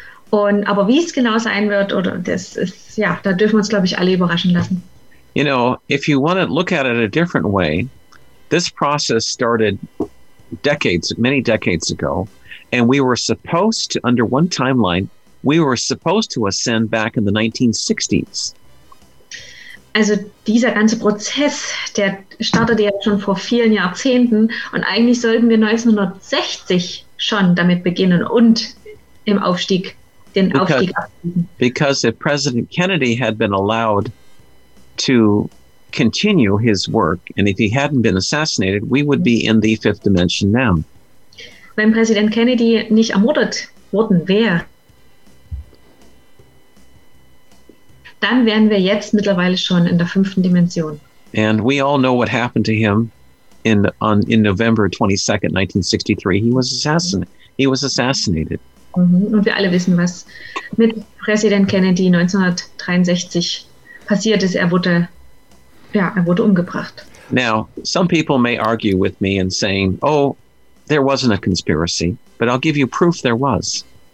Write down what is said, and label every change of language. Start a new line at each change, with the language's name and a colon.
German: Und aber wie es genau sein wird, oder das ist, ja, da dürfen wir uns, glaube ich, alle überraschen lassen.
English: You know, if you want to look at it a different way, this process started many decades ago, and we were supposed to, under one timeline, we were supposed to ascend back in the 1960s.
German: Also dieser ganze Prozess, der startete ja schon vor vielen Jahrzehnten, und eigentlich sollten wir 1960 schon damit beginnen und im Aufstieg Aufstieg abbiegen.
English: Because if President Kennedy had been allowed to continue his work and if he hadn't been assassinated, we would be in the fifth dimension now.
German: Wenn Präsident Kennedy nicht ermordet worden wäre, dann wären wir jetzt mittlerweile schon in der fünften Dimension.
English: And we all know what happened to him in November 22nd, 1963. He was assassinated. Mm-hmm.
German: Und wir alle wissen, was mit Präsident Kennedy 1963 passiert ist. Er wurde umgebracht.
English: Now, some people may argue with me and saying, oh, there wasn't a conspiracy, but I'll give you proof there was.